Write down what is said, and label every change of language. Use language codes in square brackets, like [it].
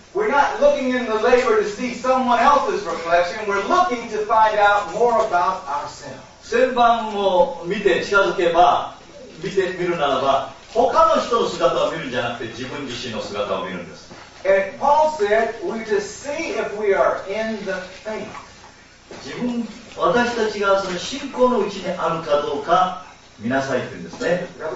[en] We're not looking in the labor to see someone else's reflection. We're looking to find out more about ourselves. [ja] 旋盤を見て近づけば、見てみるならば、他の人の姿を見るんじゃなくて自分自身の姿を見るんです。 [en] And Paul said, we just see if we are in the faith. [ja] 自分、私たちがその信仰のうちにあるかどうか見なさいって言うんですね。